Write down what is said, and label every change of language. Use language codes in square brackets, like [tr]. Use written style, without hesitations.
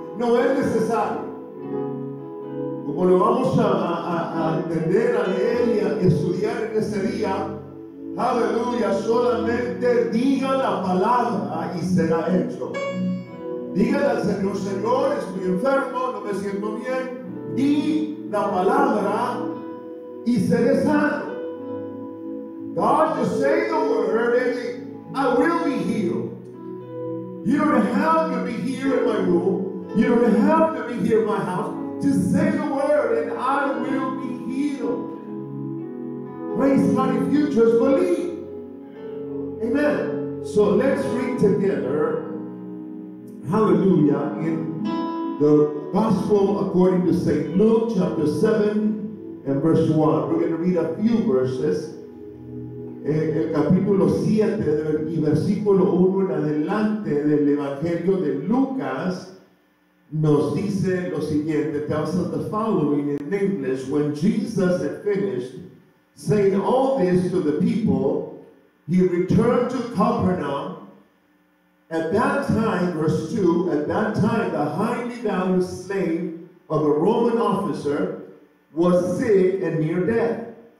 [es] No es necesario. Como lo vamos a entender, a leer y a estudiar en este día, aleluya, solamente diga la palabra y será hecho. Dígale al Señor, Señor, estoy enfermo, no me siento bien, di la palabra y seré sano. [en] God, just say the word and I will be healed. You don't have to be here in my room. You don't have to be here in my house. Just say the word and I will be healed. Praise God if you just believe. Amen. So let's read together. Hallelujah. In the gospel according to St. Luke chapter 7 and verse 1. We're going to read a few verses. [es] El capítulo 7 y versículo 1 en adelante del Evangelio de Lucas nos dice lo siguiente. [en] Tells us the following in English. When Jesus had finished saying all this to the people, he returned to Capernaum. At that time, verse 2, at that time the highly valued slave of a Roman officer was sick and near death.